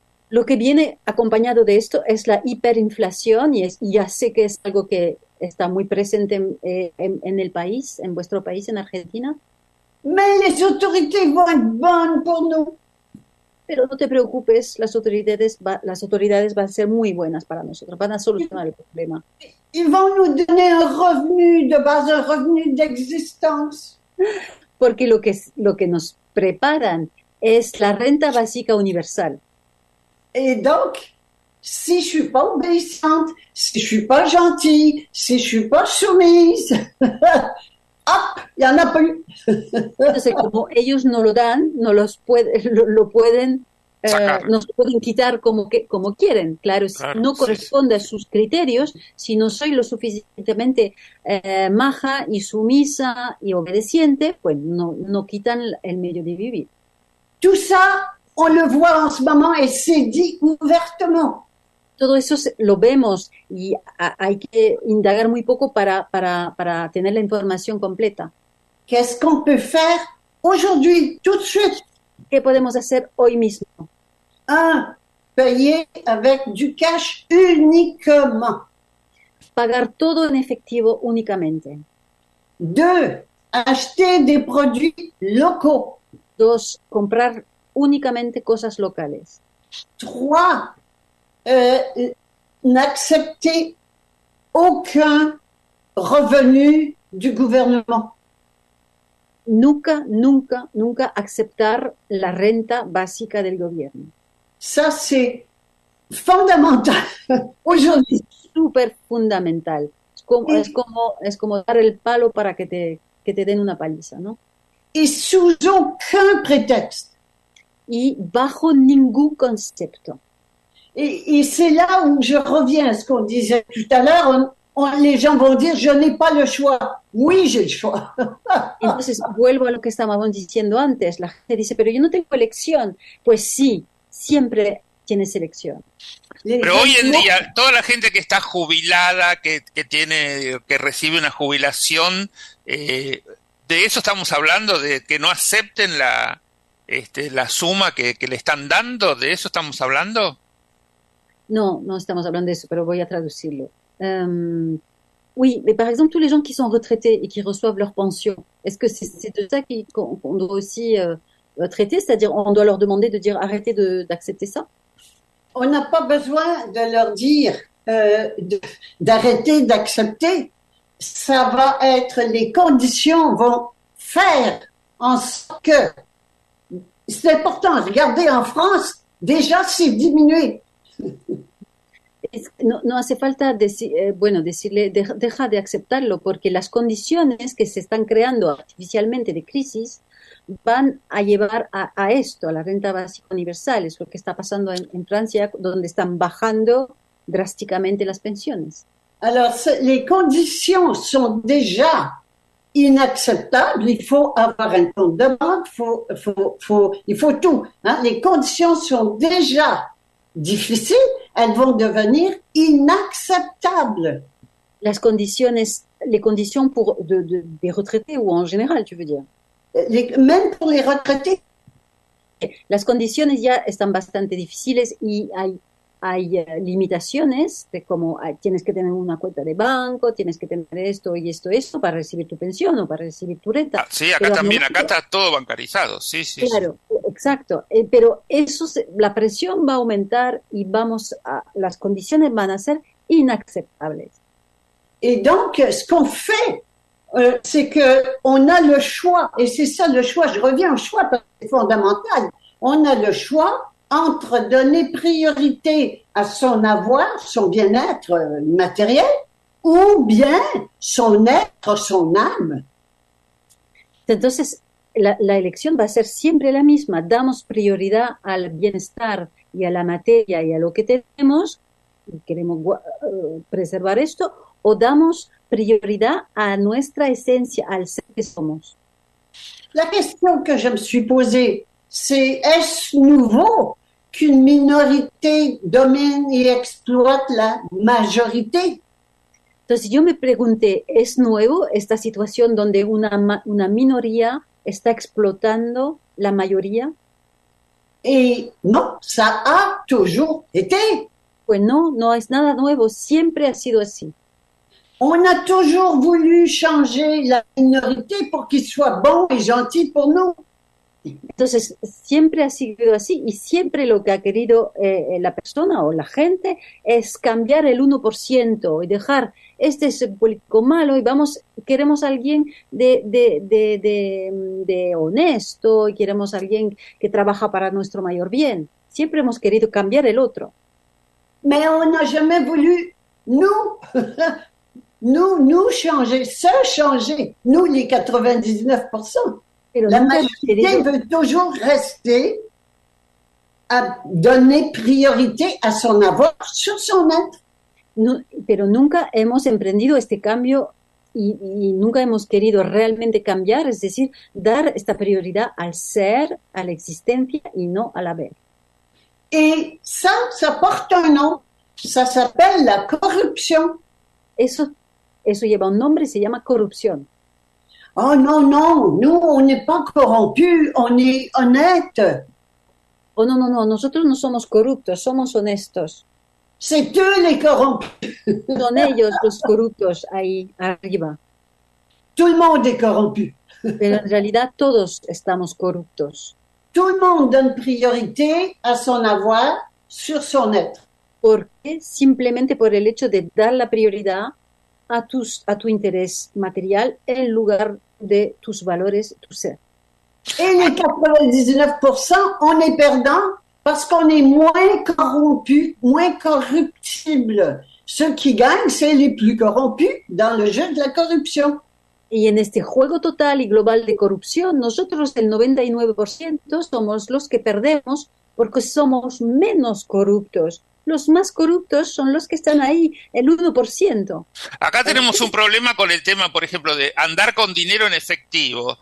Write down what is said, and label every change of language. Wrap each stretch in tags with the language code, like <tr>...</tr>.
<es>Lo que viene acompañado de esto es la hiperinflación, y ya sé que es algo que está muy presente en el país, en vuestro país, en Argentina.</es> <fr>Mais les autorités vont être bonnes pour nous.</fr> <es>Pero no te preocupes, las autoridades van a ser muy buenas para nosotros, van a solucionar el problema.</es> <fr>Ils vont nous donner un revenu de base, un revenu d'existence.</fr> <es>Porque lo que nos preparan es la renta básica universal.</es> <fr>Et donc, si je suis pas obéissante, si je suis pas gentille, si je suis pas soumise, hop, il y en a plus.</fr> <es>Entonces, como ellos no lo dan, no los puede, lo pueden, nos pueden quitar como quieren. Claro, claro, no corresponde sí. a sus criterios, si no soy lo suficientemente maja y sumisa y obedeciente, pues no quitan el medio de vivir.</es> <fr>Tout ça, on le voit en ce moment et c'est dit ouvertement.</fr> <es>Todo eso lo vemos y hay que indagar muy poco para tener la información completa.</es> <fr>Qu'est-ce qu'on peut faire aujourd'hui, tout de suite?</fr> <es>¿Qué podemos hacer hoy mismo?</es> <fr>Un, payer avec du cash uniquement.</fr> <es>Pagar todo en efectivo únicamente.</es> <fr>Deux, acheter des produits locaux.</fr> <es>Dos, comprar únicamente cosas locales.</es> <fr>Trois, n'accepter aucun revenu du gouvernement.</fr> <es>Nunca, nunca, nunca aceptar la renta básica del gobierno.</es> <fr>Ça, c'est fundamental aujourd'hui.</fr> <es>Super fundamental. Es como dar el palo para que te den una paliza, ¿no?</es> <fr>Y sous aucun prétexte. Y bajo ningún concepto. Y c'est là où je reviens à ce qu'on disait tout à l'heure. Les gens vont dire, je n'ai pas le choix. Oui, j'ai le choix.</fr> <es>Entonces, vuelvo a lo que estábamos diciendo antes. La gente dice, pero yo no tengo elección. Pues sí, siempre tienes elección. Pero hoy en día, toda la gente que está jubilada, que recibe una jubilación, de eso estamos hablando, de que no acepten la suma que le están dando, de eso estamos hablando. No estamos hablando de eso, pero voy a traducirlo.</es> <fr>Oui, mais par exemple, tous les gens qui sont retraités et qui reçoivent leur pension, est-ce que c'est de ça qu'on doit aussi traiter? C'est-à-dire, on doit leur demander de dire arrêtez d'accepter ça? On n'a pas besoin de leur dire d'arrêter d'accepter. Ça va être les conditions vont faire en sorte que c'est important. Regardez, en France, déjà, c'est diminué.</fr> <es>No hace falta decirle deja de aceptarlo, porque las condiciones que se están creando artificialmente de crisis van a llevar a esto, a la renta básica universal. Es lo que está pasando en Francia, donde están bajando drásticamente las pensiones.</es> <fr>Alors, les conditions sont déjà inacceptables. Il faut avoir un compte de banque, il faut tout, hein? Les conditions sont déjà difficiles. Elles vont devenir inacceptables. Les conditions pour des retraités ou en général, tu veux dire? Même pour les retraités.</fr> <es>Las condiciones ya están bastante difíciles y hay limitaciones de como tienes que tener una cuenta de banco, tienes que tener esto y esto esto para recibir tu pensión o para recibir tu renta. Ah, sí, acá pero también, acá está todo bancarizado, sí, sí. Claro, sí. Exacto, pero eso, la presión va a aumentar y las condiciones van a ser inaceptables. Y entonces, lo que hacemos es que tenemos el choix, y es eso el choix, yo reviens al choix porque es fundamental, tenemos el choix entre</es> <fr>donner priorité à son avoir, son bien-être matériel, ou bien son être, son âme.</fr> <es>Entonces, la elección va a ser siempre la misma. Damos prioridad al bienestar y a la materia y a lo que tenemos, y queremos preservar esto, o damos prioridad a nuestra esencia, al ser que somos.</es> <fr>La question que je me suis posée, c'est est-ce nouveau qu'une minorité domine et exploite la majorité?</fr> <es>Entonces yo me pregunté, ¿es nuevo esta situación donde una minoría está explotando la mayoría?</es> <fr>Et non, ça a toujours été.</fr> <es>Pues no, no es nada nuevo, siempre ha sido así.</es> <fr>On a toujours voulu changer la minorité pour qu'il soit bon et gentil pour nous.</fr> <es>Entonces, siempre ha sido así y siempre lo que ha querido la persona o la gente es cambiar el 1% y dejar este es el público malo y vamos, queremos alguien de honesto y queremos alguien que trabaja para nuestro mayor bien. Siempre hemos querido cambiar el otro.</es> <fr>Mais on n'a jamais voulu nous changer, se changer, nous les 99%.</fr> <es>Pero</es> <fr>la majorité veut toujours rester à donner priorité à son avoir sur son être.</fr> <es>No, pero nunca hemos emprendido este cambio y nunca hemos querido realmente cambiar, es decir, dar esta prioridad al ser, a la existencia y no al haber.</es> <fr>Et ça porte un nom, ça s'appelle la corruption.</fr> <es>Eso lleva un nombre, se llama corrupción.</es> <fr>Oh non, non, nous, on n'est pas corrompus, on est honnête.</fr> <es>Oh non, non, non, nosotros no somos corruptos, somos honestos.</es> <fr>C'est eux les corrompus.</fr> <es>Son ellos los corruptos ahí arriba.</es> <fr>Tout le monde est corrompu.</fr> <es>Pero en realidad todos estamos corruptos.</es> <fr>Tout le monde donne priorité à son avoir sur son être.</fr> <es>¿Por qué? Simplemente por el hecho de dar la prioridad a tu interés material en lugar de tus valores, tu ser.</es> <fr>Et les 99%, on est perdant parce qu'on est moins corrompu, moins corruptible. Ceux qui gagnent, c'est les plus corrompus dans le jeu de la corruption.</fr> <es>Y en este juego total y global de corrupción, nosotros el 99% somos los que perdemos porque somos menos corruptos. Los más corruptos son los que están ahí, el 1%. Acá tenemos un problema con el tema, por ejemplo, de andar con dinero en efectivo.</es>